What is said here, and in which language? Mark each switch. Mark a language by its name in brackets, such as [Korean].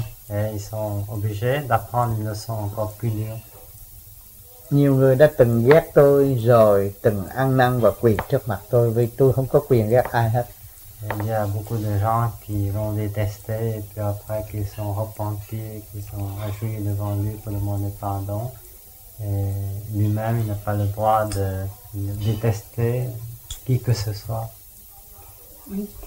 [French] Et ils sont obligés d'apprendre une leçon encore plus dure. [Vietnamese] Nhiều người đã từng ghét tôi rồi, từng ăn năn và quỳ trước mặt tôi vì tôi không có quyền ghét ai hết. [French] Il y a beaucoup de gens qui l'ont détesté et puis après qui sont repentis, qui sont réjouis devant lui pour demander pardon. Et lui-même, il n'a pas le droit de détester qui que ce soit. Oui.